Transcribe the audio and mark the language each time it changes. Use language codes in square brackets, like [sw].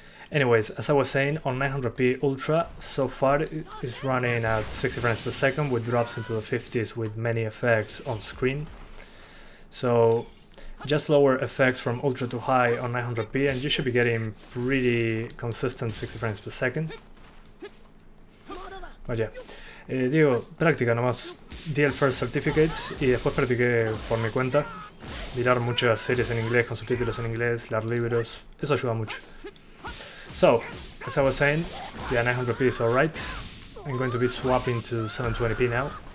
[en] Anyways, as I was saying, on 900p Ultra, so far it's running at 60 frames per second with drops into the 50s with many effects on screen. So just lower effects from Ultra to High on 900p and you should be getting pretty consistent 60 frames per second. But yeah. [es] Digo, práctica nomás. Di el first certificate y después practiqué por mi cuenta. Mirar muchas series en inglés con subtítulos en inglés, leer libros, eso ayuda mucho. [en] So, as I was saying, the 900p is alright. I'm going to be swapping to 720p now.